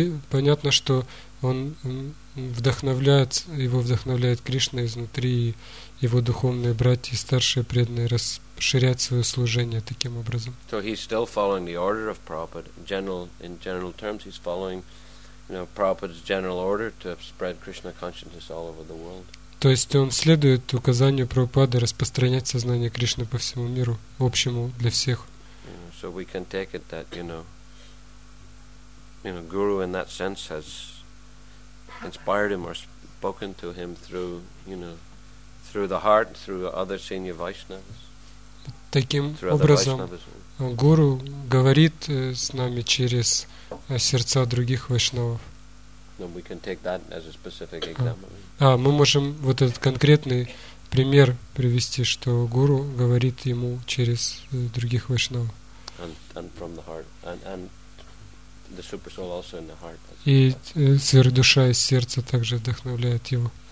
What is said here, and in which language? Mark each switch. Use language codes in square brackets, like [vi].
[ru] Понятно, что он вдохновляет, его вдохновляет Кришна изнутри, и его духовные братья и старшие преданные расширять свое служение таким образом. [en] So he's still following the order of Prabhupada. In general terms, he's following, you know, Prabhupada's general order to spread Krishna consciousness all over the world. [ru] То есть он следует указанию Прабхупады распространять сознание Кришны по всему миру, общему для всех. [en] So we can take it that, you know, you know, Guru in that sense has inspired him or spoken to him through, you know, through the heart, through other senior Vaishnavas. [ru] Таким образом, Гуру говорит с нами через сердца других вайшнавов. [en] And we can take that as a specific example. [ru] Мы можем вот этот конкретный пример привести, что Гуру говорит ему через других вайшнавов. [en] And from the heart. And the super soul also in the heart. [ru] И сверхдуша из сердца также вдохновляет его.